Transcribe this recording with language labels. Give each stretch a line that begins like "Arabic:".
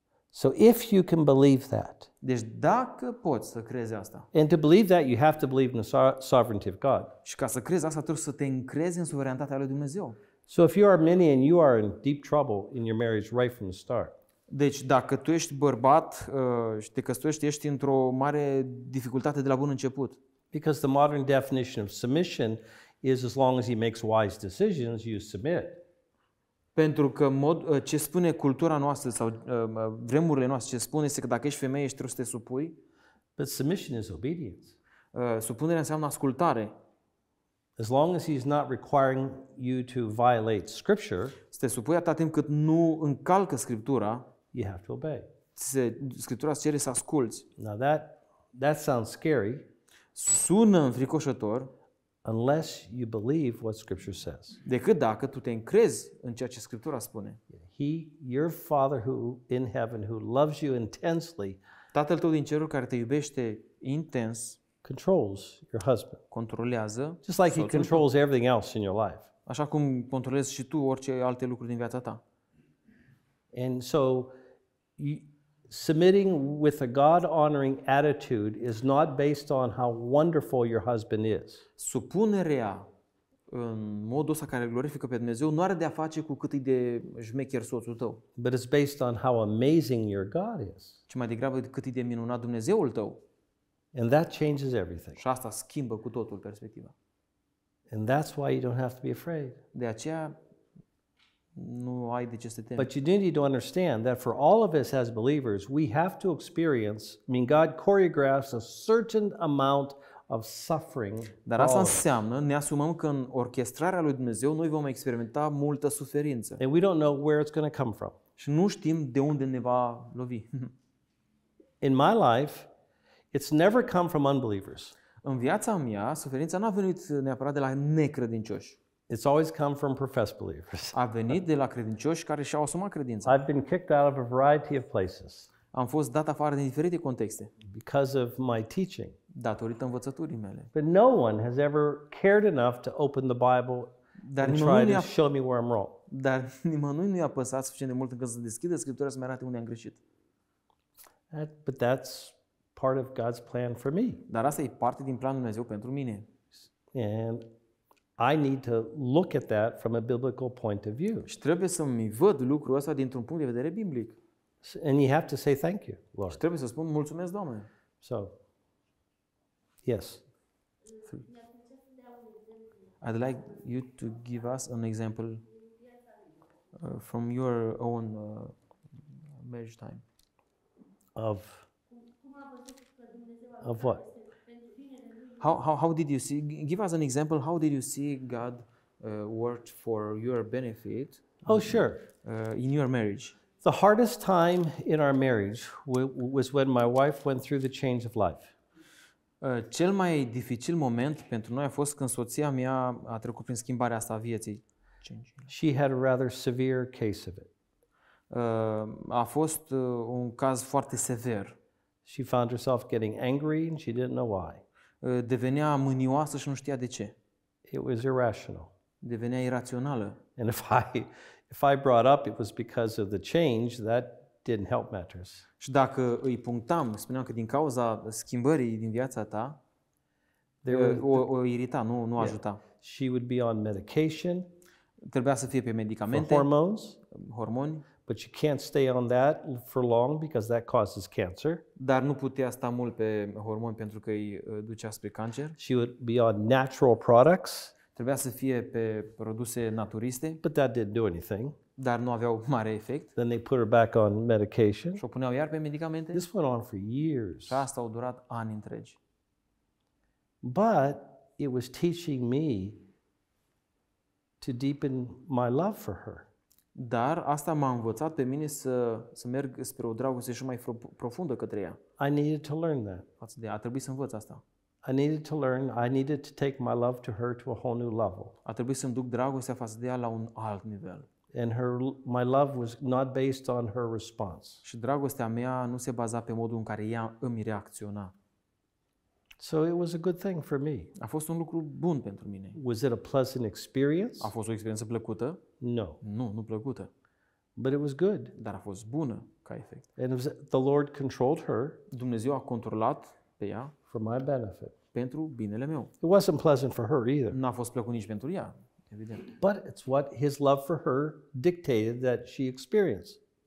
English: So if you can believe that.
Romanian: Deci dacă poți să crezi asta.
English: And to believe that you have to believe in the sovereignty of God.
Romanian: Și ca să crezi asta trebuie să te încrezi în suveranitatea lui Dumnezeu.
English: So if you are many and you are in deep trouble in your marriage right from the start.
Romanian: Deci dacă tu ești bărbat și te căsătorești, ești într-o mare dificultate de la bun început.
English: Because the modern definition of submission is as long as he makes wise decisions, you submit.
Romanian: Pentru că ce spune cultura noastră sau vremurile noastre, ce spune este că dacă ești femeie, ești trebuie să te supui.
English: But submission is obedience.
Romanian: Supunerea înseamnă ascultare.
English: As long as he's not requiring you to violate scripture,
Romanian: să te supui atât timp cât nu încalcă scriptura,
English: you have to obey.
Romanian: Scriptura îți cere să asculți.
English: Now that sounds scary.
Romanian: Sună înfricoșător.
English: Unless you believe what scripture says.
Romanian: Decât dacă tu te încrezi în ceea ce scriptura spune.
English: He, your father who in heaven who loves you intensely.
Romanian: Tatăl tău din ceruri care te iubește intens.
English: Controls your husband.
Romanian: Controlează.
English: Just like he controls everything else in your life.
Romanian: Așa cum controlezi și tu orice alte lucruri din viața ta.
English: And so submitting with a God-honoring attitude is not based on how wonderful your husband is.
Romanian: Supunerea în modul ăsta care glorifică pe Dumnezeu nu are de a face cu cât e de șmecher soțul tău.
English: But it's based on how amazing your God is.
Romanian: Ci mai degrabă cât e de minunat Dumnezeul tău.
English: And that changes everything.
Romanian: Și asta schimbă cu totul perspectiva.
English: And that's why you don't have to be afraid.
Romanian: De aceea nu ai de ce să te temi.
English: But you do need to understand that for all of us as believers, we have to experience, I mean, God choreographs a certain amount of suffering.
Romanian: Dar asta înseamnă, ne asumăm că în orchestrarea lui Dumnezeu noi vom experimenta multă suferință.
English: And we don't know where it's going to come from.
Romanian: Și nu știm de unde ne va lovi.
English: In my life, it's never come from unbelievers.
Romanian: În viața mea, suferința n-a venit neapărat de la necredincioși.
English: It's always come from professed believers.
Romanian: A venit de la credincioși care și-au asumat credința.
English: I've been kicked out of a variety of places.
Romanian: Am fost dat afară din diferite contexte.
English: Because of my teaching.
Romanian: Datorită învățăturii mele.
English: But no one has ever cared enough to open the Bible and try to show me where I'm wrong.
Romanian: Dar nimănui nu i-a păsat suficient de mult încât să deschidă Scriptura să-mi arate unde am greșit.
English: But that's part of God's plan for me.
Romanian: Dar asta e parte din planul Dumnezeu pentru mine.
English: And I need to look at that from a biblical point of view.
Romanian: Și trebuie să mi văd lucrul ăsta dintr-un punct de vedere biblic.
English: And you have to say thank you, Lord.
Romanian: Și trebuie să spun mulțumesc, Doamne.
English: So. Yes. I'd like you to give us an example from your own marriage time. Of what? How did you see? Give us an example. How did you see God worked for your benefit? Oh, sure. In your marriage. The hardest time in our marriage was when my wife went through the change of life.
Romanian: Cel mai dificil moment pentru noi a fost când soția mea a trecut prin schimbarea asta a vieții.
English: She had a rather severe case of it.
Romanian: A fost un caz foarte sever.
English: She found herself getting angry and she didn't know why.
Romanian: Devenea mânioasă și nu știa de ce.
English: It was irrational.
Romanian: Devenea irațională.
English: And if I brought up it was because of the change, that didn't help matters.
Romanian: Și dacă îi punctam, spuneam că din cauza schimbării din viața ta, o irita, nu ajuta.
English: She would be on medication.
Romanian: Trebuia să fie pe medicamente. Hormoni.
English: But she can't stay on that for long because that causes cancer.
Romanian: Dar nu putea sta mult pe hormoni pentru că îi ducea spre cancer.
English: She would be on natural products.
Romanian: Trebuia să fie pe produse naturiste.
English: But that didn't do anything.
Romanian: Dar nu aveau mare efect.
English: Then they put her back on medication.
Romanian: Și o puneau iar pe medicamente.
English: This went on for years.
Romanian: Și asta a durat ani întregi.
English: But it was teaching me to deepen my love for her.
Romanian: Dar asta m-a învățat pe mine să merg spre o dragoste și mai profundă către ea.
English: I needed to learn that.
Romanian: A trebuit să învăț asta.
English: I needed to learn. I needed to take my love to her to a whole new level.
Romanian: A trebuit să-mi duc dragostea față de ea la un alt nivel.
English: And my love was not based on her response.
Romanian: Și dragostea mea nu se baza pe modul în care ea îmi reacționa.
English: So it was a good thing for me.
Romanian: A fost un lucru bun pentru mine.
English: Was it a pleasant experience?
Romanian: A fost o experiență plăcută?
English: No.
Romanian: Nu plăcută.
English: But it was good.
Romanian: Dar a fost bună ca efect.
English: And the Lord controlled her.
Romanian: Dumnezeu a controlat pe ea.
English: For my benefit.
Romanian: Pentru binele meu.
English: It wasn't pleasant for her either.
Romanian: N-a fost plăcut nici pentru ea. Evident.
English: But it's what his love for her dictated that she experienced.